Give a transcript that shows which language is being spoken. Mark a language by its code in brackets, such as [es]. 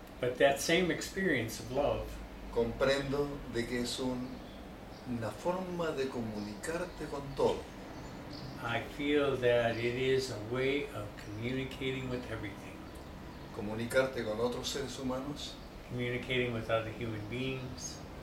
[en] But that same experience of love. [es] Comprendo de que es una forma de comunicarte con todo. [en] I feel that it is a way of communicating with everything. [es] Comunicarte con otros seres humanos. [en] Communicating with other human beings.